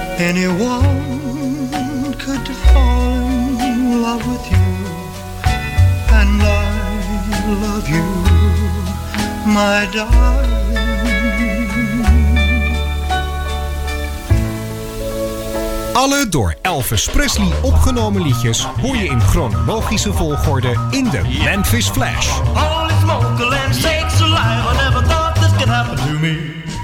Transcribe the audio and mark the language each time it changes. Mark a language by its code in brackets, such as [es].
[en] Anyone could fall in love with you. And I love you, my darling. [nl] Alle door Elvis Presley opgenomen liedjes hoor je in chronologische volgorde in de Memphis Flash. [en] Holy smoke, land sakes alive, I never thought this could happen to me.